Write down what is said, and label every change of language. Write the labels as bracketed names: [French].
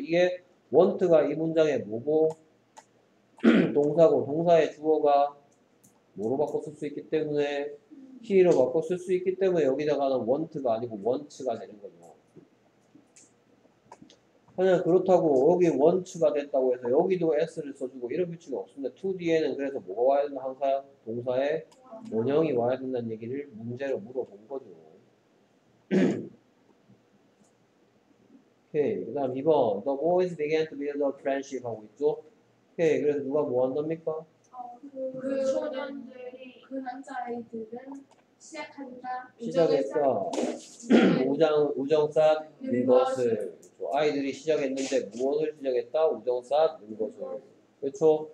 [Korean] 이게 want가 이 문장의 뭐고 동사고 동사의 주어가 뭐로 바꿔 쓸 수 있기 때문에 he로 바꿔 쓸 수 있기 때문에 여기다가는 want가 아니고 wants가 되는 거죠. 그냥 그렇다고 여기 want가 됐다고 해서 여기도 S를 써주고 이런 규칙이 없습니다. 2D에는 그래서 뭐가 와야 되나 항상 동사에 원형이 와야 된다는 얘기를 문제로 물어본 거죠. 오케이. 그 다음 2번. [English] The boys began to build a friendship [Korean] 하고 있죠. 오케이. 그래서 누가 뭐 한답니까? 소년들이, 그 남자아이들은 시작한다. 시작했다. 우정, 우정 쌓는 것을. 아이들이 시작했는데 무엇을 시작했다? 우정 쌓는 것을. 그렇죠?